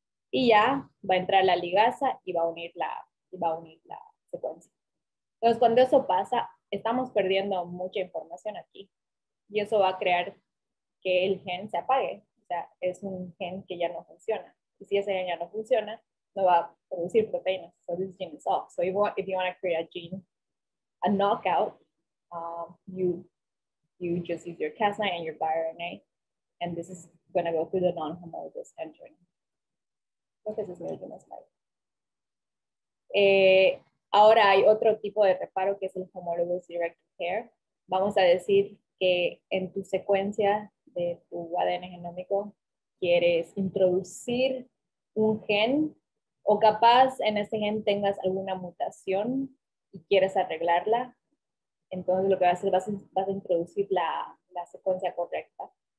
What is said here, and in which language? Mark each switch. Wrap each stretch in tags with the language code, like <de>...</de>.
<es>Y ya va a entrar la ligasa y va a unir la secuencia. Entonces cuando eso pasa, estamos perdiendo mucha información aquí. Y eso va a crear que el gen se apague. Es un gen que ya no funciona. Y si ese gen ya no funciona, no va a producir proteínas.</es> <en>So this gene is off. So if you want to create a gene, a knockout, you just use your Cas9 and your bioRNA, and this is going to go through the non-homologous entering.</en> <es>Entonces, es mi última slide. Ahora hay otro tipo de reparo que es el homologous direct repair. Vamos a decir que en tu secuencia de tu ADN genómico, quieres introducir un gen o capaz en ese gen tengas alguna mutación y quieres arreglarla, entonces lo que vas a hacer, vas a introducir la secuencia correcta.</es>